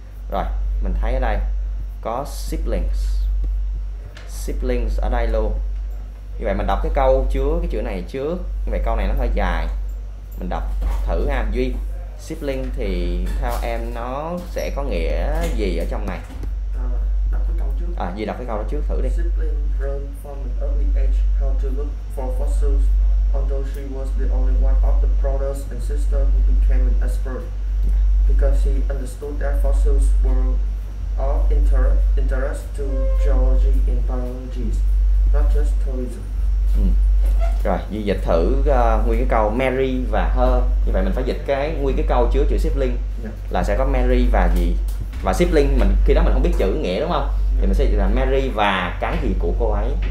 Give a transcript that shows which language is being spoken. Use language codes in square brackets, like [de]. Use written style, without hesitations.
[vi] Rồi, mình thấy ở đây có siblings. Siblings ở đây luôn. Như vậy mình đọc cái câu chứa cái chữ này trước. Như vậy câu này nó hơi dài. Mình đọc thử ha, Duy. Sibling thì theo em nó sẽ có nghĩa gì ở trong này? À, Duy đọc cái câu đó trước thử đi. [en] Sibling from an early age had to look for fossils, although she was the only one of the brothers and sister who became an expert, because he understood that fossils were of interest to geology and biology, not just tourism. [vi] Rồi, như dịch thử nguyên cái câu Mary và her. Như vậy mình phải dịch cái nguyên cái câu chứa chữ sibling là sẽ có Mary và gì. Và sibling mình khi đó mình không biết chữ nghĩa đúng không? Thì mình sẽ dịch là Mary và cái gì của cô ấy.